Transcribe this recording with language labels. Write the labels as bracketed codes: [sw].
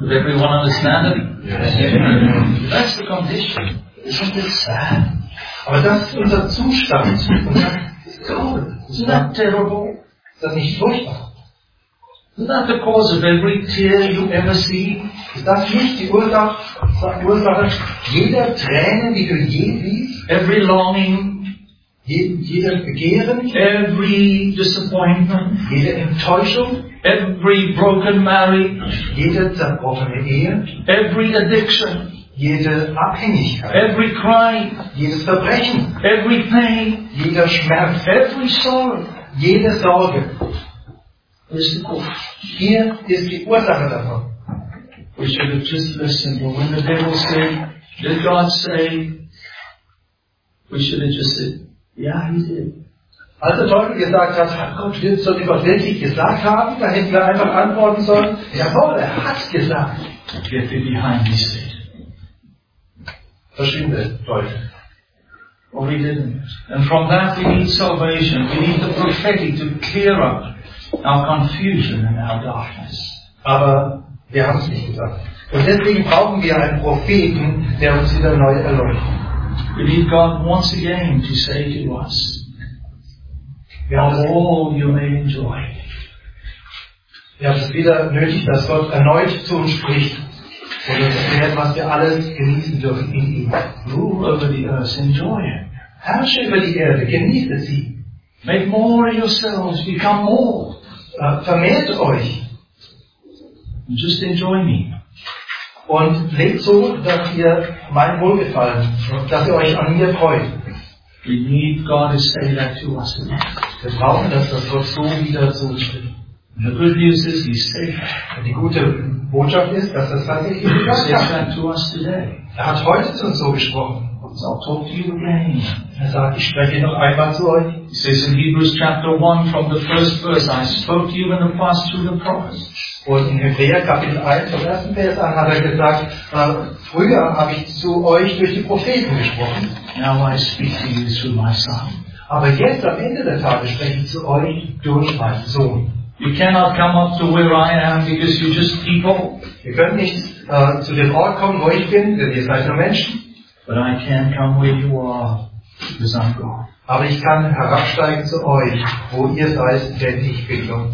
[en] Did everyone understand it? Yes. That's the condition. Isn't it sad? [de] Aber das ist unser Zustand. [en] God, isn't that terrible? [de] Ist das nicht furchtbar? [en] Is that the cause of every tear you ever see? [de] Ist das nicht die Ursache jeder Träne, die du je siehst? [en] Every longing, [de] jeder Begehren, [en] every disappointment, [de] jede Enttäuschung, [en] every broken marriage, [de] jede zerbrochene Ehe, [en] every addiction, [de] jede Abhängigkeit, [en] every cry, [de] jedes Verbrechen, [en] every pain, [de] jeder Schmerz, [en] every sorrow, [de] jede Sorge. [en] We should have just listened, but when the devil said, did God say, we should have just said, yeah, he did. [de] Als der Teufel gesagt hat, hat Gott wird so etwas wirklich gesagt haben, da hätten wir einfach antworten sollen, jawohl, er hat es gesagt. [en] Get thee behind me, Satan. [de] Verschwinde, Teufel. [en] Well, we didn't. And from that we need salvation, we need the prophetic to clear up our confusion and our darkness. [de] Aber wir haben es nicht gesagt. Und deswegen brauchen wir einen Propheten, der uns wieder neu erleuchtet. [en] We need God once again to say to us, all you may enjoy. [de] Wir haben es wieder nötig, dass Gott erneut zu uns spricht und uns erklärt, was wir alle genießen dürfen in ihm. [en] Rule over the earth, enjoy it. [de] Herrsche über die Erde, genieße sie. [en] Make more of yourselves, become more. [de] Vermehrt euch. [en] Just enjoy me. [de] Und lebt so, dass ihr mein Wohlgefallen, dass ihr euch an mir freut. [en] We need God to say that to us again. [de] Wir brauchen, dass das Gott so wieder zu uns spricht. [en] The good news is he's safe. [de] Und die gute Botschaft ist, dass das tatsächlich [en] he says that to us today. [de] Er hat heute zu uns so gesprochen. [en] I'll talk to you again. [de] Er sagt, ich spreche noch einmal zu euch. [en] He says in Hebrews chapter 1 from the first verse, I spoke to you in the past through the prophets. [de] Und in Hebräer Kapitel 1 vom ersten Vers an hat er gesagt, früher habe ich zu euch durch die Propheten gesprochen. [en] Now I speak to you through my son. [de] Aber jetzt am Ende der Tage spreche ich zu euch durch meinen Sohn. [en] You cannot come up to where I am because you're just people. [de] Ihr könnt nicht zu dem Ort kommen, wo ich bin, denn ihr seid nur Menschen. [en] But I can come where you are because I'm God. [de] Aber ich kann herabsteigen zu euch, wo ihr seid, denn ich bin Gott.